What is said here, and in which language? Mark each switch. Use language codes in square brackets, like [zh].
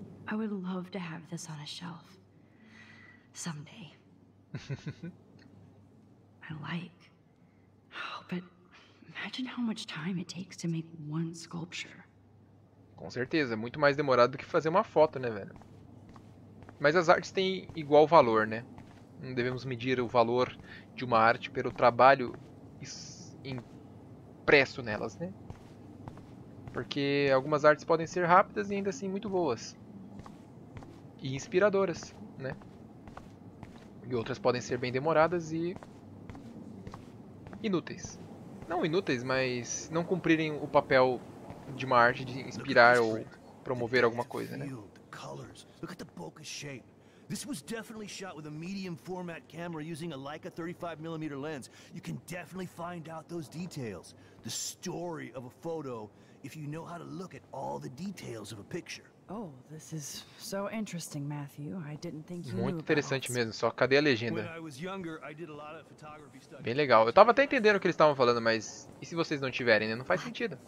[en] I would love to have this on a shelf someday. I like. Oh, but imagine how much time it takes to make one sculpture. [pt] Com certeza, é muito mais demorado do que fazer uma foto, né, velho? Mas as artes têm igual valor, né? Não devemos medir o valor de uma arte pelo trabalho impresso nelas, né? Porque algumas artes podem ser rápidas e ainda assim muito boas. E inspiradoras, né? E outras podem ser bem demoradas e inúteis. Não inúteis, mas não cumprirem o papel de uma arte de inspirar ou promover alguma coisa, né? [en] Olha as cores, olha a boca shape. This was definitely shot with a medium format camera using a Leica 35mm lens. You can definitely find out those details. The story of a photo if you know how to look at all the details of a picture. Oh, this is so interesting, Matthew. I didn't think you [pt] Muito interessante [en] about. [pt] Mesmo, só cadê a legenda? [en] When I was younger, I did a lot of photography stuff. [pt] Bem legal. Eu tava até entendendo o que eles estavam falando, mas e se vocês não tiverem, né? Não faz sentido.